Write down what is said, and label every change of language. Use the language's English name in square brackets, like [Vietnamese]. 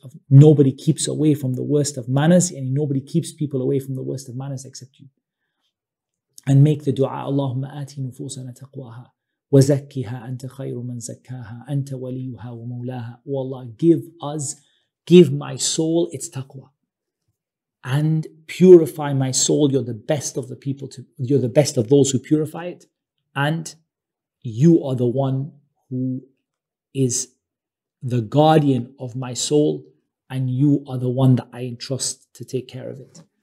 [English] Nobody keeps away from the worst of manners. And nobody keeps people away from the worst of manners except you. And make the dua, [Arabic] اللهم آتي نفوسنا تقواها وزكيها أنت خير من زكاها أنت وليها ومولاها. [English] Oh Allah, give my soul its taqwa and purify my soul. You're the best of the people you're the best of those who purify it, and you are the one who is the guardian of my soul, and you are the one that I entrust to take care of it.